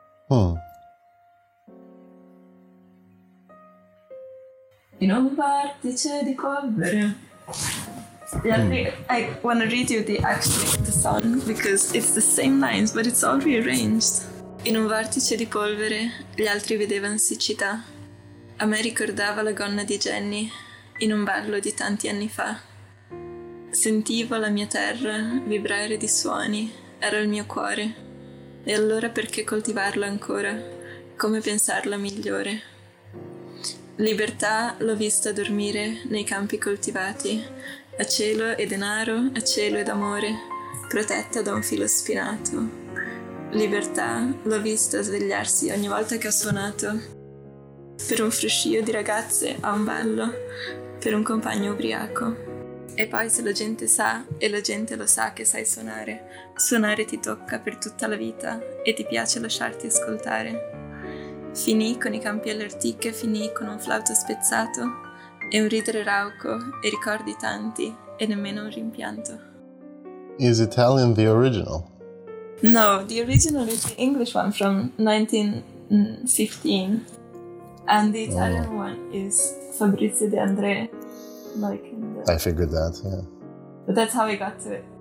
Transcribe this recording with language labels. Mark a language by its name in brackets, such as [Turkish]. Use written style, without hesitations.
[Italian] Hmm. "In un vortice di polvere." [English] Yeah, I want to read you the song, because it's the same lines, but it's all rearranged. [Italian] "In un vortice di polvere, gli altri vedevano siccità. A me ricordava la gonna di Jenny, in un ballo di tanti anni fa. Sentivo la mia terra vibrare di suoni, era il mio cuore. E allora perché coltivarla ancora? Come pensarla migliore? Libertà l'ho vista dormire nei campi coltivati, a cielo e denaro, a cielo ed amore, protetta da un filo spinato. Libertà l'ho vista svegliarsi ogni volta che ho suonato. per un fruscio di ragazze a un ballo, per un compagno ubriaco. E poi se la gente sa, e la gente lo sa che sai suonare, suonare ti tocca per tutta la vita e ti piace lasciarti ascoltare. Finì con i campi alle ortiche, finì con un flauto spezzato e un ridere rauco e ricordi tanti e nemmeno un rimpianto. [English] Is Italian the original? No, the original is the English one from 1915. And the Italian one is Fabrizio De André. I figured that, yeah. But that's how I got to it.